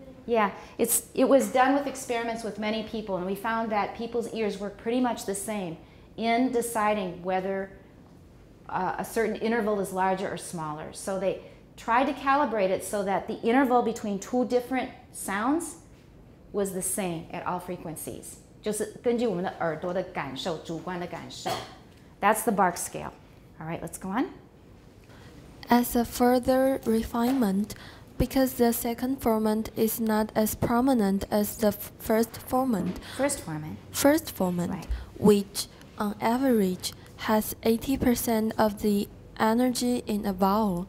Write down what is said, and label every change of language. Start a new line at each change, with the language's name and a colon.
English: Yeah, it was done with experiments with many people, and we found that people's ears work pretty much the same in deciding whether a certain interval is larger or smaller. So they tried to calibrate it so that the interval between two different sounds was the same at all frequencies.
Chinese: 就是根据我们的耳朵的感受，主观的感受.
English: That's the bark scale. All right, let's go on. As a further refinement, because the second formant is not as prominent as the first formant, right, which on average has 80% of the energy in a vowel.